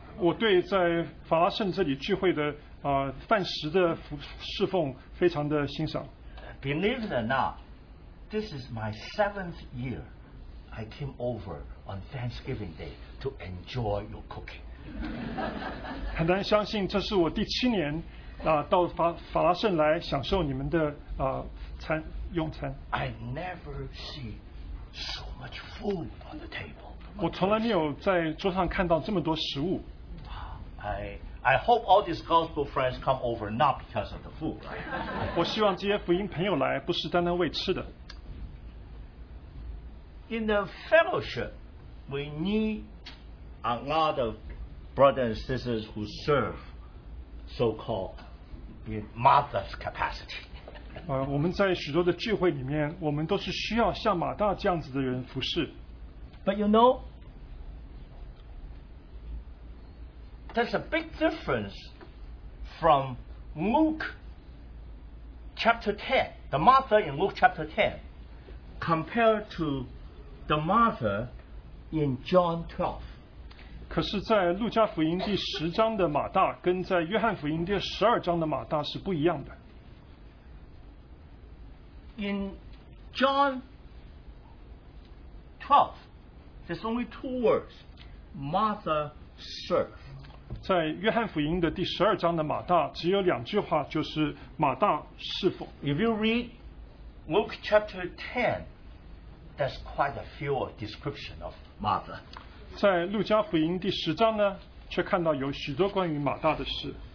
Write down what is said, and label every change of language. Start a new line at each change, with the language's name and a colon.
Chinese: 我对在法拉盛这里聚会的饭食的侍奉非常的欣赏。
English: Believe it or not, this is my 7th year. I came over on Thanksgiving Day to enjoy your cooking.
Chinese: 很难相信，这是我第七年到法拉盛来享受你们的用餐。
English: I never see so much food on the table.
Chinese: 我从来没有在桌上看到这么多食物。
English: I hope all these gospel friends come over not because of the food, right?
Chinese: 我希望这些福音朋友来不是单单为吃的。
English: In the fellowship, we need a lot of brothers and sisters who serve so-called in Martha's capacity.
Chinese: 我们在许多的聚会里面，我们都是需要像马大这样子的人服侍。
English: But you know, there's a big difference from Luke chapter 10, the Martha in Luke chapter 10, compared to The Martha in John 12.
Chinese: 可是在路加福音第十章的马大跟在约翰福音第十二章的马大是不一样的。
English: In John 12, there's only two words, Martha serve.
Chinese: 在约翰福音的第十二章的马大只有两句话，就是马大侍奉。
English: If you read Luke chapter 10, That's quite a few description of Martha.
Chinese: 在路加福音第十章呢，却看到有许多关于马大的事。